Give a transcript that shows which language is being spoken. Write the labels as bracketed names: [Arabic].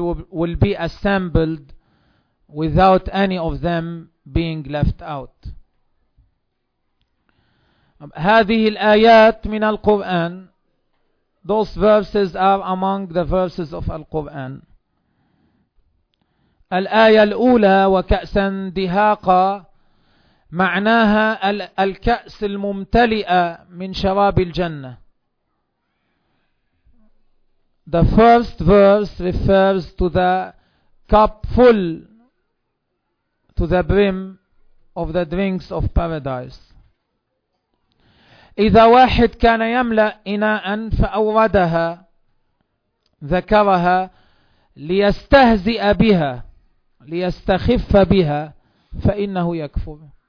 [English] will be assembled without any of them being left out. [Arabic] هذه الآيات من القرآن. [English] Those verses are among the verses of Al-Quran. [Arabic] الآية الأولى وكأسا دهاقا معناها الكأس الممتلئة من شراب الجنة. [English] The first verse refers to the cup full to the brim of the drinks of paradise. [Arabic] إذا واحد كان يملأ إناء فأوردها ذكرها ليستهزئ بها ليستخف بها فإنه يكفر.